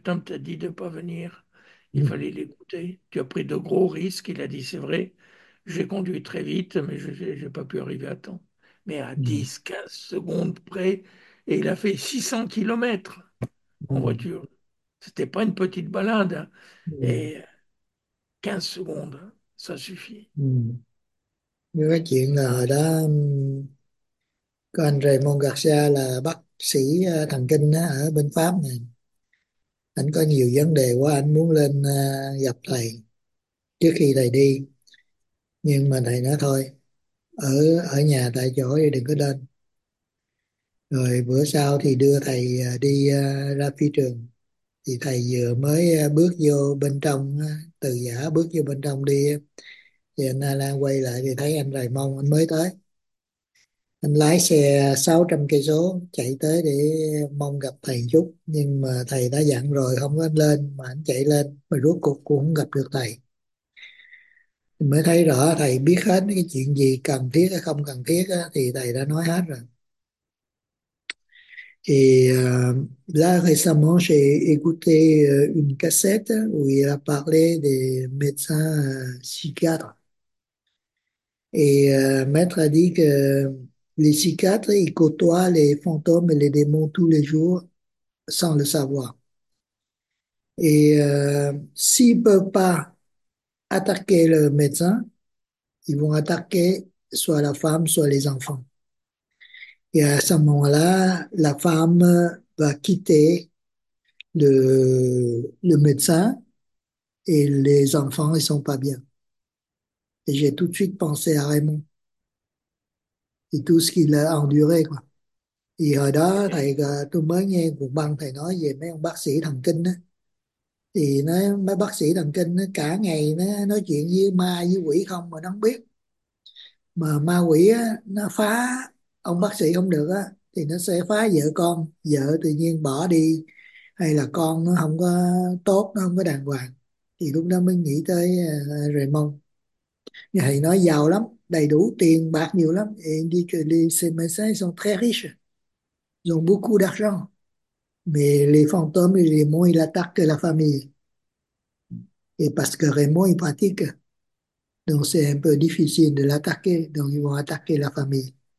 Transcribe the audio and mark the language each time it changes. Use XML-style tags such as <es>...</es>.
<fr>Tarn t'a dit de ne pas venir. Il fallait l'écouter. Tu as pris de gros risques. Il a dit, c'est vrai, j'ai conduit très vite, mais je n'ai pas pu arriver à temps. Mais à 10-15 secondes près, et il a fait 600 km en voiture. C'était pas une petite balade. Et 15 secondes, ça suffit.</fr> <vi>Cái chuyện là hồi đó có anh Raymond Garcia là bác sĩ thần kinh đó, ở bên Pháp này, anh có nhiều vấn đề quá anh muốn lên gặp thầy trước khi thầy đi, nhưng mà thầy nói thôi ở ở nhà tại chỗ thì đừng có lên. Rồi bữa sau thì đưa thầy đi ra phi trường, thì thầy vừa mới bước vô bên trong từ giả bước vô bên trong đi. Thì anh A Lan quay lại thì thấy anh Raymond anh mới tới. Anh lái xe 600 cây số chạy tới để mong gặp thầy chút, nhưng mà thầy đã dặn rồi không có lên, mà anh chạy lên mà rốt cuộc cũng không gặp được thầy. Mới thấy rõ thầy biết hết cái chuyện gì cần thiết hay không cần thiết đó, thì thầy đã nói hết rồi. Thì là</vi> <fr>récemment j'ai écouté une cassette où il a parlé des médecins psychiatres. Et maître a dit que les psychiatres, ils côtoient les fantômes et les démons tous les jours sans le savoir. Et s'ils peuvent pas attaquer le médecin, ils vont attaquer soit la femme, soit les enfants. Et à ce moment-là, la femme va quitter le médecin et les enfants, ils sont pas bien. Et j'ai tout de suite pensé à Raymond et tout ce qu'il a enduré, quoi. Et</fr> <vi>hồi đó, thầy, tôi mới nghe cuộc băng thầy nói về mấy ông bác sĩ thần kinh đó. Thì nó mấy bác sĩ thần kinh đó, cả ngày nó nói chuyện với ma với quỷ không mà nó không biết. Mà ma quỷ đó, nó phá ông bác sĩ không được á thì nó sẽ phá vợ con, vợ tự nhiên bỏ đi hay là con nó không có tốt, nó không có đàng hoàng, thì lúc đó mới nghĩ tới Raymond. Thầy nói giàu lắm, đầy đủ tiền bạc nhiều lắm,</vi> <fr>et dit que les médecins sont très riches, ils ont beaucoup d'argent, mais les fantômes et les démons ils attaquent la famille, et parce que Raymond il pratique, donc c'est un peu difficile de l'attaquer, donc ils vont attaquer la famille.</fr>